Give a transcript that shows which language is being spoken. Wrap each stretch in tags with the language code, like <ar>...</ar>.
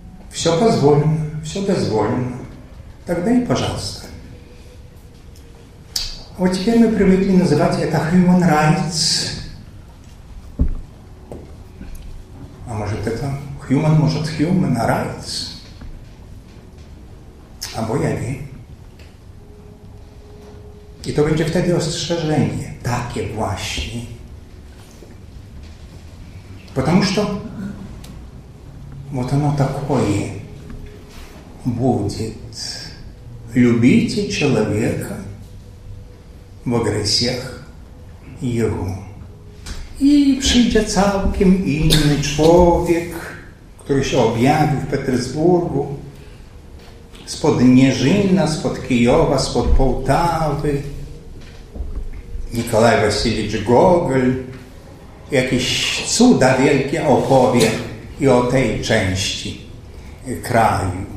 <ru>Все позволено, все дозволено. Тогда и пожалуйста. Вот теперь мы привыкли называть это human rights. А может это human, может human rights?</ru> <uk>Або я не.</uk> <ru>И то</ru> <pl>będzie wtedy ostrzeżenie. Takie właśnie.</pl> <ru>Потому что вот оно такое будет. Любите человека во грехах его.</ru> <pl>И przyjdzie całkiem inny człowiek, który się objawił w Petersburgu. Spod Nieżyna, spod Kijowa, spod Połtawy. Nikolaj Wasiliewicz Gogol. Jakieś cuda wielkie opowie i o tej części kraju.</pl>